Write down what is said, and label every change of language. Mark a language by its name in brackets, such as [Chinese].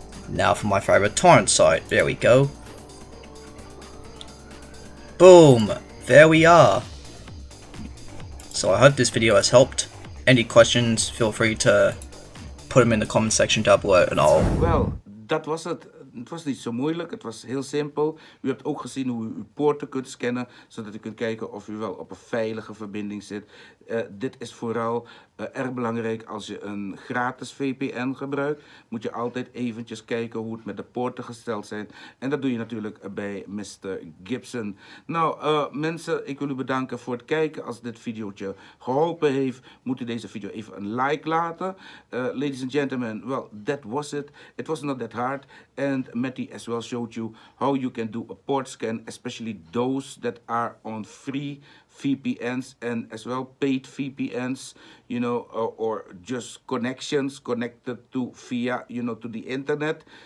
[English] Now for my favorite torrent site, there we go. Boom, there we are. So I hope this video has helped. Any questions, feel free to put them in the comment section down below and I'll... Well, that was it. [Dutch] Het was niet zo moeilijk, het was heel simpel. U hebt ook gezien hoe u uw poorten kunt scannen, zodat u kunt kijken of u wel op een veilige verbinding zit. Dit is vooral erg belangrijk als je een gratis VPN gebruikt. Moet je altijd eventjes kijken hoe het met de poorten gesteld zijn. En dat doe je natuurlijk bij Mr. Gibson. Nou mensen, ik wil u bedanken voor het kijken. Als dit videootje geholpen heeft, moet u deze video even een like laten. [English] Ladies and gentlemen, well, that was it. It was not that hard. And Matty as well showed you how you can do a port scan, especially those that are on free VPNs and as well paid VPNs, you know, or just connections connected to via, you know, to the internet.